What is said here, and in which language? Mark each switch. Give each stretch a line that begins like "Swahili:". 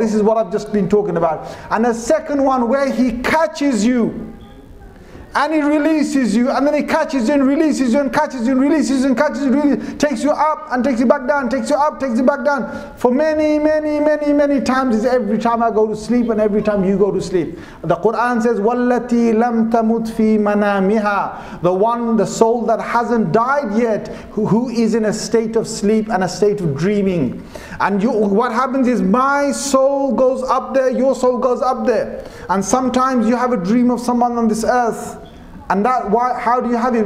English: This is what I've just been talking about. And the second one where He catches you and He releases you, and then He catches you and releases you and catches you and releases you and catches you, takes you up and takes you back down, takes you up, takes you back down. For many, many, many, many times is every time I go to sleep and every time you go to sleep. The Quran says,
Arabic: وَالَّتِي لَمْ تَمُتْ فِي مَنَامِهَا.
English: The one, the soul that hasn't died yet, who is in a state of sleep and a state of dreaming. And you, what happens is my soul goes up there, your soul goes up there. And sometimes you have a dream of someone on this earth. And that, why? How do you have it?